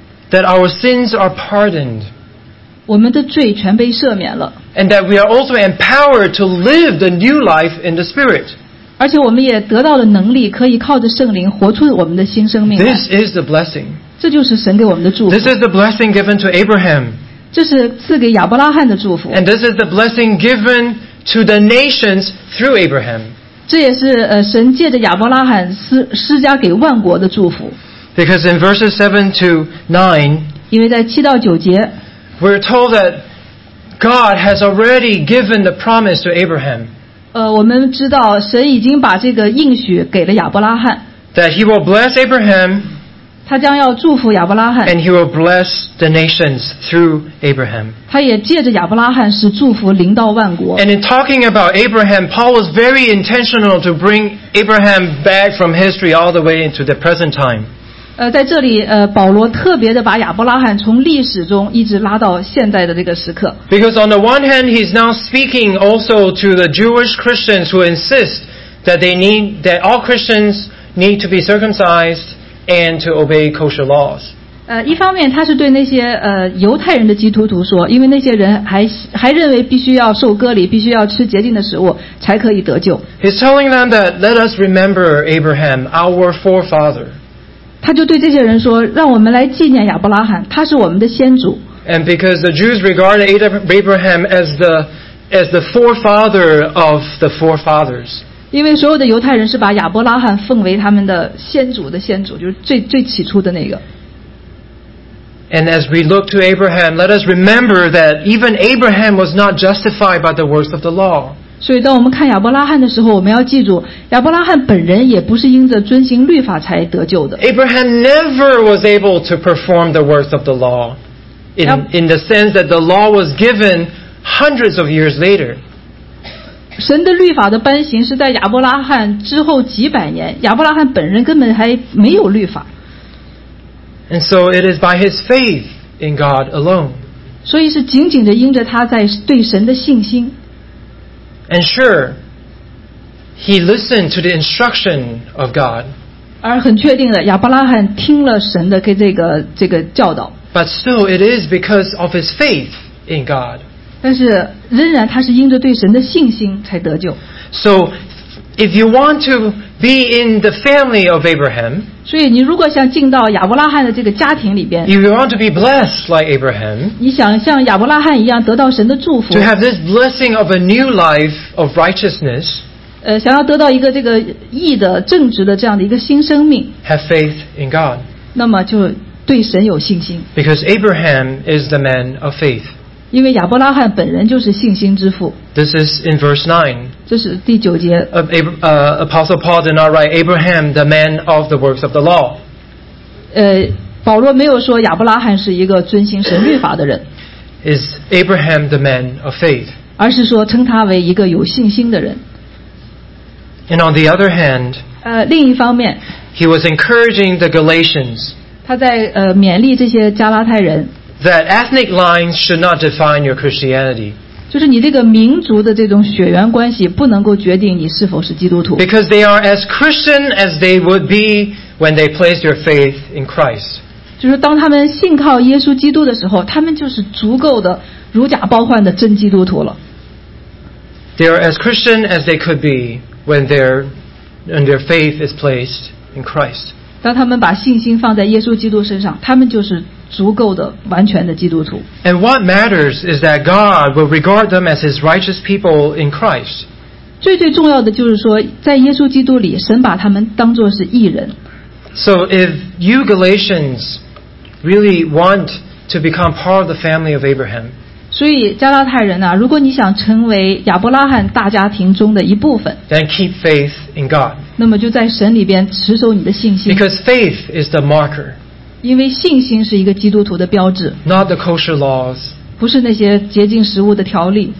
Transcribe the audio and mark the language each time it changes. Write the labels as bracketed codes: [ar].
[en] That our sins are pardoned. [zh] 我们的罪全被赦免了。 [en] And that we are also empowered to live the new life in the Spirit. [zh] 而且我们也得到了能力，可以靠着圣灵活出我们的新生命。 [en] This is the blessing. [zh] 这就是神给我们的祝福。 [en] This is the blessing given to Abraham. [zh] 这是赐给亚伯拉罕的祝福。 [en] And this is the blessing given. To the nations through Abraham. [zh] 这也是神借着亚伯拉罕施加给万国的祝福。 [en] Because in verses 7-9, [zh] 因为在七到九节 [en] we're told that God has already given the promise to Abraham. [zh] 我们知道神已经把这个应许给了亚伯拉罕。 [en] That he will bless Abraham. [zh] 他将要祝福亚伯拉罕。 [en] And he will bless the nations through Abraham. [zh] 他也借着亚伯拉罕使祝福临到万国。 [en] And in talking about Abraham, Paul was very intentional to bring Abraham back from history all the way into the present time. [zh] 在这里保罗特别的把亚伯拉罕从历史中一直拉到现在的这个时刻。 [en] Because on the one hand, he's now speaking also to the Jewish Christians who insist that they need, that all Christians need to be circumcised. And to obey kosher laws. [zh] 一方面他是对那些犹太人的基督徒说，因为那些人还认为必须要受割礼，必须要吃洁净的食物才可以得救。 [en] He's telling them that let us remember Abraham, our forefather. [zh] 他就对这些人说，让我们来纪念亚伯拉罕，他是我们的先祖。 [en] And because the Jews regarded Abraham as the forefather of the forefathers. [zh] 因为所有的犹太人是把亚伯拉罕奉为他们的先祖的先祖，就是最起初的那个。 [en] And as we look to Abraham, let us remember that even Abraham was not justified by the works of the law. [zh] 所以当我们看亚伯拉罕的时候，我们要记住，亚伯拉罕本人也不是因着遵行律法才得救的。 [en] Abraham never was able to perform the works of the law, in the sense that the law was given hundreds of years later. [zh] 神的律法的颁行是在亚伯拉罕之后几百年，亚伯拉罕本人根本还没有律法。 [en] And so it is by his faith in God alone. [zh] 所以是紧紧的因着他在对神的信心。 [en] And sure, He listened to the instruction of God. [zh] 而很确定的，亚伯拉罕听了神的这个教导。 [en] But still, it is because of his faith in God. [zh] 但是仍然他是因着对神的信心才得救。 [en] So, if you want to be in the family of Abraham, [zh] 所以你如果想进到亚伯拉罕的这个家庭里边， [en] if you want to be blessed like Abraham, [zh] 你想像亚伯拉罕一样得到神的祝福， [en] to have this blessing of a new life of righteousness, [zh] 想要得到一个这个义的正直的这样的一个新生命， [en] have faith in God. [zh] 那么就对神有信心。 [en] Because Abraham is the man of faith. [zh] 因为亚伯拉罕本人就是信心之父。 [en] This is in verse 9. [zh] 这是第九节。 [en] Apostle Paul did not write Abraham the man of the works of the law. [zh] 保罗没有说亚伯拉罕是一个遵行神律法的人。 [en] Is Abraham the man of faith? [zh] 而是说称他为一个有信心的人。 [en] And on the other hand, [zh] 另一方面， [en] he was encouraging the Galatians. [zh] 他在勉励这些加拉太人。 [en] That ethnic lines should not define your Christianity. [zh] 就是你这个民族的这种血缘关系不能够决定你是否是基督徒。 [en] Because they are as Christian as they would be when they placed their faith in Christ. [zh] 就是当他们信靠耶稣基督的时候，他们就是足够的如假包换的真基督徒了。 [en] They are as Christian as they could be. When their faith is placed in Christ. [zh] 当他们把信心放在耶稣基督身上，他们就是足够的完全的基督徒。 [en] And what matters is that God will regard them as His righteous people in Christ. [zh] 最最重要的就是说，在耶稣基督里，神把他们当作是义人。 [en] So if you Galatians really want to become part of the family of Abraham, [zh] 所以加拉太人啊，如果你想成为亚伯拉罕大家庭中的一部分， [en] then keep faith in God. [zh] 那么就在神里边持守你的信心。 [en] Because faith is the marker. [zh] 因为信心是一个基督徒的标志。 [en] Not the kosher laws. [zh] 不是那些洁净食物的条例。